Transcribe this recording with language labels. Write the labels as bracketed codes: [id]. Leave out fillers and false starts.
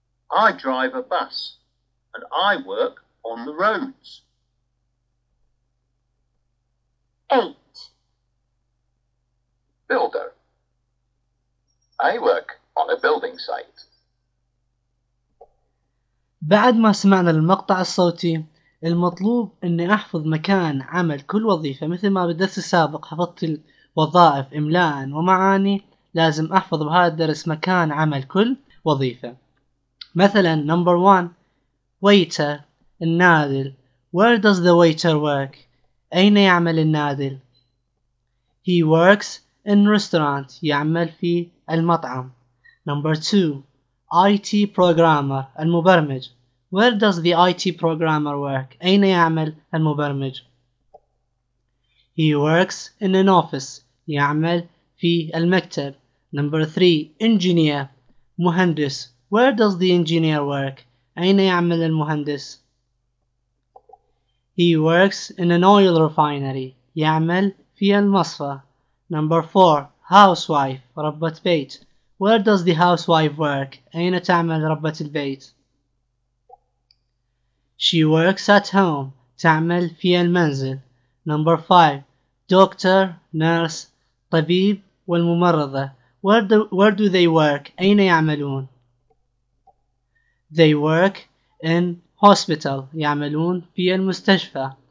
[en] I drive a bus and I work on the roads. 8. Builder. I work on a building site. [ar] بعد ما سمعنا المقطع الصوتي، المطلوب اني احفظ مكان عمل كل وظيفة. مثل ما بالدرس السابق حفظت الوظائف املاء ومعاني، لازم احفظ بهذا الدرس مكان عمل كل وظيفة. مثلا [en] number one waiter النادل. Where does the waiter work؟ [ar] أين يعمل النادل؟ [en] He works in restaurant، [ar] يعمل في المطعم. [en] Number two IT programmer المبرمج. Where does the IT programmer work؟ [ar] أين يعمل المبرمج؟ [en] He works in an office، [ar] يعمل في المكتب. [en] Number three engineer مهندس. Where does the engineer work؟ [ar] أين يعمل المهندس؟ [en] He works in an oil refinery، [ar] يعمل في المصفى. [en] Number 4 housewife [ar] ربة بيت. [en] Where does the housewife work؟ [ar] أين تعمل ربة البيت؟ [en] She works at home، [ar] تعمل في المنزل. [en] Number 5 doctor nurse [ar] طبيب والممرضة. [en] Where do they work؟ [ar] أين يعملون؟ [en] They work in hospital، [ar] يعملون في المستشفى.